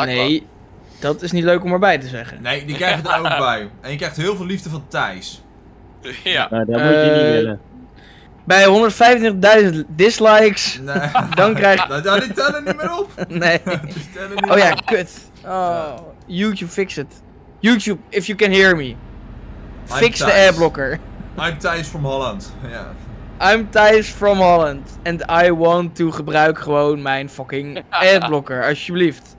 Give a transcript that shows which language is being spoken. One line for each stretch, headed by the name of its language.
Dutch: Nee, dat is niet leuk om erbij te zeggen. Nee, die krijgen er ook bij. En je krijgt heel veel liefde van Thijs. Ja. Nou, dat moet je niet willen. Bij 125.000 dislikes, nee. Dan krijg je... Nou, die tellen niet meer op. Nee. Oh ja, kut. Oh, ja. YouTube,
English: fix it. YouTube, if you can hear me. Fix the airblocker. I'm Thijs from Holland, ja. Yeah. I'm Thijs from Holland. And I want to
Dutch: gebruik gewoon mijn fucking adblocker, alsjeblieft.